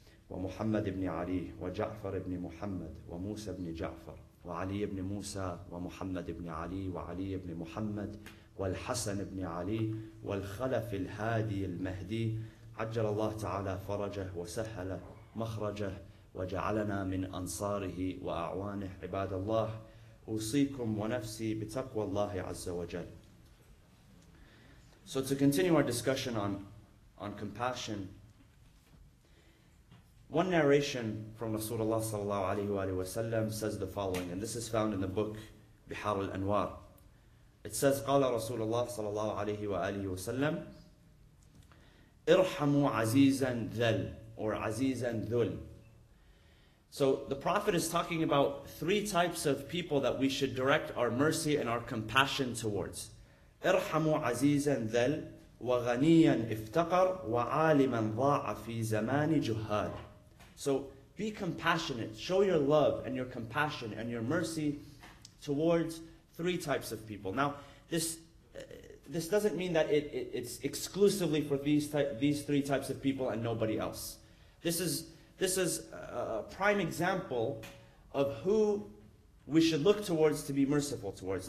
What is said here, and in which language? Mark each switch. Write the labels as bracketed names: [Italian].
[Arabic] ومحمد بن علي وجعفر بن محمد وموسى بن جعفر وعلي بن موسى ومحمد بن علي وعلي بن محمد والحسن بن علي والخلف الهادي المهدي عجل الله تعالى فرجه وسهل مخرجه وجعلنا من أنصاره وأعوانه. عباد الله, أوصيكم ونفسي بتقوى الله عز وجل. [English] So to continue our discussion on compassion, one narration from Rasulullah sallallahu alayhi wa sallam says the following, and this is found in the book Bihar al-Anwar. It says, [Arabic] قال رسول الله صلى الله عليه وآله وسلم ارحموا عزيزا ذل or عزيزا ذل. [English] So the Prophet is talking about three types of people that we should direct our mercy and our compassion towards. [Arabic] ارحموا عزيزا ذل وغنيا افتقر وعالما ضاع في زمان جهال. [English] So be compassionate, show your love and your compassion and your mercy towards three types of people. Now this doesn't mean that it's exclusively for these three types of people and nobody else. This is a prime example of who we should look towards to be merciful towards.